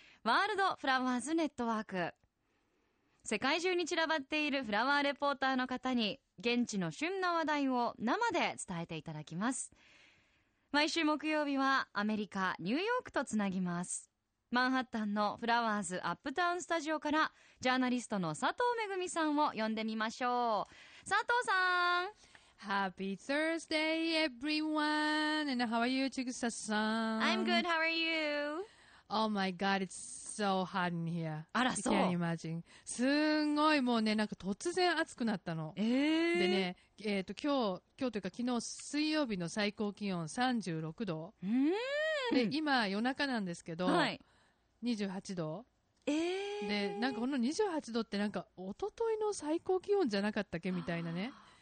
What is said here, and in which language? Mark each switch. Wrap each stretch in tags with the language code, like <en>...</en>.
<ja>ワールドフラワーズネットワーク、世界中に散らばっているフラワーレポーターの方に現地の旬の話題を生で伝えていただきます。毎週木曜日はアメリカニューヨークとつなぎます。マンハッタンのフラワーズアップタウンスタジオからジャーナリストの佐藤めぐみさんを呼んでみましょう。佐藤さん、</ja> <en>Happy Thursday everyone, and how are you, Chigusa san? I'm good, how are you? Oh my god, it's so hot in here.</en> <ja>あら、そう。</ja> <en>Can you imagine?</en> <ja>すんごい、もうね、なんか突然暑くなったの。でね、今日というか昨日水曜日の最高気温36度、んで今夜中なんですけど、はい、 28度、でなんかこの28度ってなんか一昨日の最高気温じゃなかったっけみたいなね。</ja>